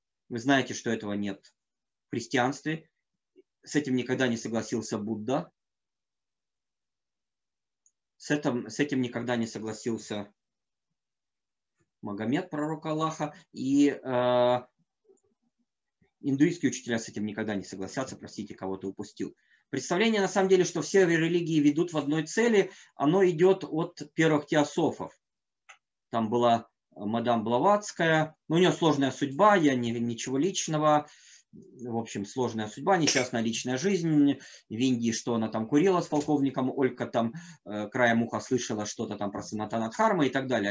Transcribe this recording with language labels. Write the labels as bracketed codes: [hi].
[ru] Вы знаете, что этого нет в христианстве. С этим никогда не согласился Будда. С этим никогда не согласился Магомед, пророк Аллаха. И [uk] індуїстські вчителі з цим ніколи не погодяться, [ru] простите, кого-то [uk] упустив. Представлення, [ru] на самом деле, [uk] що всі релігії ведуть в одній цілі, воно йде від перших теософів. Там була [ru] мадам Блаватская, ну, у нее сложная судьба, я не, ничего личного, в общем, сложная судьба, несчастная личная жизнь, в Индии, что она там курила с полковником, Олька там краем уха слышала что-то там про Санатана Дхармы и так далее.